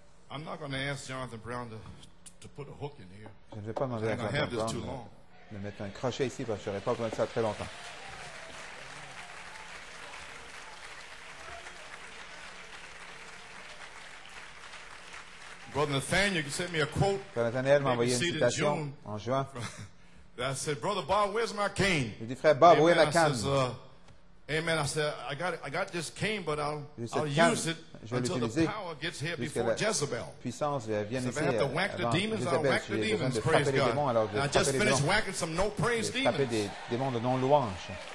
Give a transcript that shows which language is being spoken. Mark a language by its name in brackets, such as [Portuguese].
[English] I'm not going to ask Jonathan Brown to put a hook in here. [French] Je ne vais pas demander à Jonathan Brown de mettre un crochet ici parce que je n'aurai pas besoin de ça très longtemps. [English] Brother Nathaniel, you sent me a quote. [French] Nathaniel m'a envoyé une citation en juin. [English] I said, Brother Bob, where's my cane? [French] Je dis, frère Bob, où est ma canne? [English] Amen. I said, I got this cane, but I'll use it until the power gets here before Jezebel. [French] Puissance vient ici. [English] If I have to whack the demons, I'll whack the demons. Praise God. [French] Démons, [English] and I just finished whacking some no praise demons. [French] Frapper des démons de non louange.